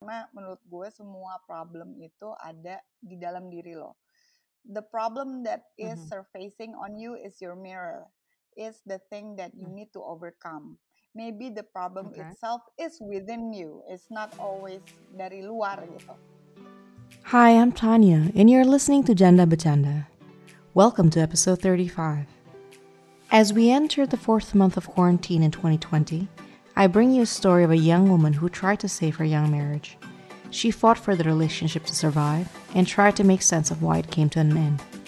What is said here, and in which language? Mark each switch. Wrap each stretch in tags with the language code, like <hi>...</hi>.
<id>karena menurut gue semua problem itu ada di dalam diri lo.</id> <en>The problem that is surfacing on you is your mirror, is the thing that you need to overcome. Maybe the problem itself is within you. It's not always</en> <id>dari luar gitu.</id> <en>Hi, I'm Tanya, and you're listening to Janda Bercanda. Welcome to episode 35. As we enter the fourth month of quarantine in 2020, I bring you a story of a young woman who tried to save her young marriage. She fought for the relationship to survive and tried to make sense of why it came to an end.</en>